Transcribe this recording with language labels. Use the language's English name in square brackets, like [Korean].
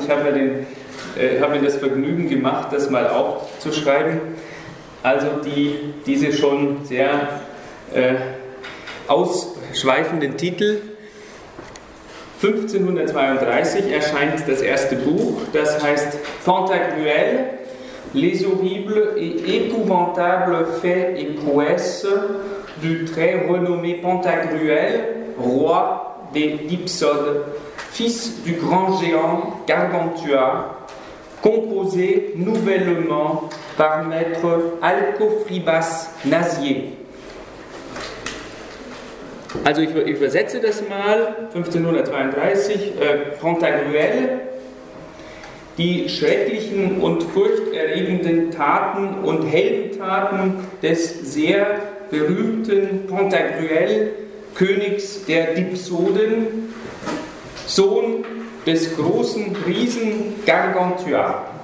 [German] Ich habe mir das Vergnügen gemacht, das mal aufzuschreiben. Also diese schon sehr ausschweifenden Titel. 1532 erscheint das erste Buch, das heißt Pantagruel, [French] les horribles et épouvantables faits et prouesses du très renommé Pantagruel, roi des Hypsodes, fils du grand géant Gargantua, composé nouvellement par maître Alcofribas Nasier. [German] Also ich übersetze das mal, 1532, Pantagruel, die schrecklichen und furchterregenden Taten und Heldentaten des sehr berühmten Pantagruel, Königs der Hypsoden, Sohn des großen Riesen Gargantua.